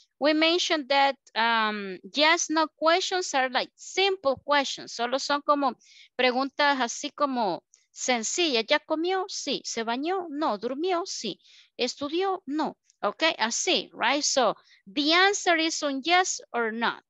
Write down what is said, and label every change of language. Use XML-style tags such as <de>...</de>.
<en>We mentioned that yes, no questions are like simple questions.</en> <es>Solo son como preguntas así como sencilla. ¿Ya comió? Sí. ¿Se bañó? No. ¿Durmió? Sí. ¿Estudió? No. Okay, así, right?</es> <en>So, the answer is on yes or not.</en>